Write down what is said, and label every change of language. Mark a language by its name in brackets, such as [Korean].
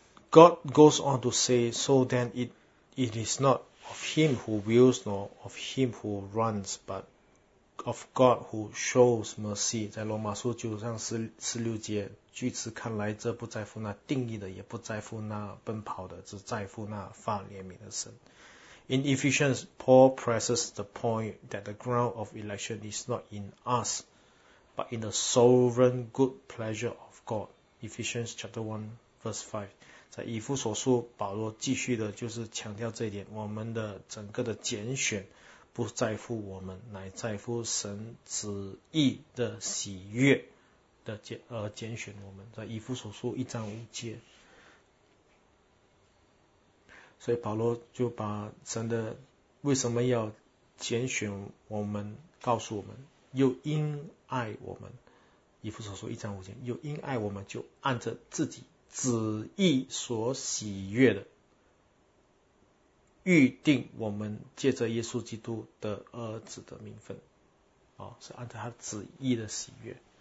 [English] God goes on to say, so then it is not of him who wills nor of him who runs, but of God who shows mercy. [Chinese] 在罗马书九章十六节，据此看来，这不在乎那定义的，也不在乎那奔跑的，只在乎那发怜悯的神。 [English] In Ephesians, Paul presses the point that the ground of election is not in us, but in the sovereign good pleasure of God. Ephesians chapter 1, verse 5. [Chinese] 在以弗所书，保罗继续的就是强调这一点，我们的整个的拣选不在乎我们，乃在乎神旨意的喜悦的拣选我们。在以弗所书一章五节，所以保罗就把神的为什么要拣选我们告诉我们，又因爱我们，以弗所书一章五节，又因爱我们就按着自己旨意所喜悦的，预定我们借着耶稣基督的儿子的名分，是按照他旨意的喜悦。